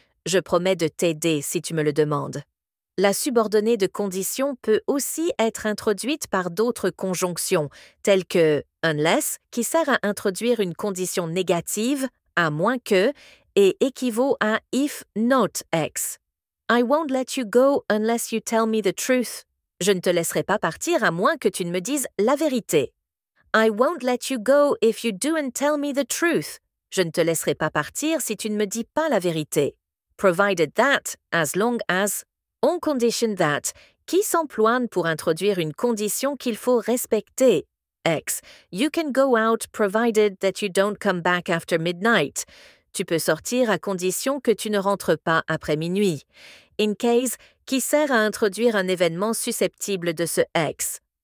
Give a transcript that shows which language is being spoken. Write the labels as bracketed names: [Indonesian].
[French] Je promets de t'aider si tu me le demandes. La subordonnée de condition peut aussi être introduite par d'autres conjonctions, telles que unless, qui sert à introduire une condition négative, à moins que, et équivaut à [English] if not [French] X. [English] I won't let you go unless you tell me the truth. [French] Je ne te laisserai pas partir à moins que tu ne me dises la vérité. [English] I won't let you go if you don't tell me the truth. [French] Je ne te laisserai pas partir si tu ne me dis pas la vérité. [English] Provided that, as long as, on condition that, [French] qui s'emploie pour introduire une condition qu'il faut respecter. X. [English] You can go out provided that you don't come back after midnight. [French] Tu peux sortir à condition que tu ne rentres pas après minuit. [English] In case, [French] qui sert à introduire un événement susceptible de ce X.